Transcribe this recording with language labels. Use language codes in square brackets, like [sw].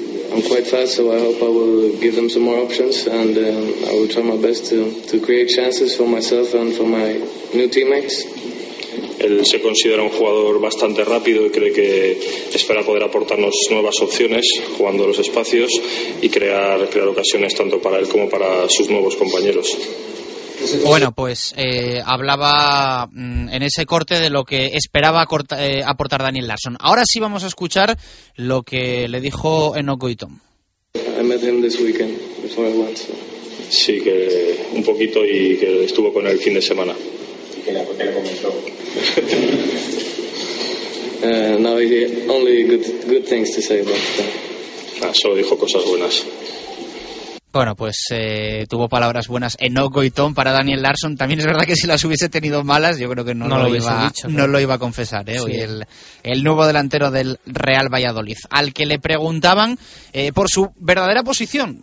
[en] I'm quite fast, so I hope I will give them some more options, and I will try my best to create chances for myself and for my new teammates. [es] Él se considera un jugador bastante rápido y cree que espera poder aportarnos nuevas opciones jugando los espacios y crear ocasiones tanto para él como para sus nuevos compañeros. Bueno, pues hablaba en ese corte de lo que esperaba aportar Daniel Larsson. Ahora sí vamos a escuchar lo que le dijo Enoch Goitom. [en] I met him this weekend before I went, so. [es] Sí, que un poquito y que estuvo con él el fin de semana. ¿Y qué le comentó? [en] Now only good things to say about that. [es] Ah, solo dijo cosas buenas. Bueno, pues tuvo palabras buenas Enoch Goitom para Daniel Larsson. También es verdad que si las hubiese tenido malas, yo creo que no lo iba a confesar. Hoy sí. El nuevo delantero del Real Valladolid, al que le preguntaban por su verdadera posición.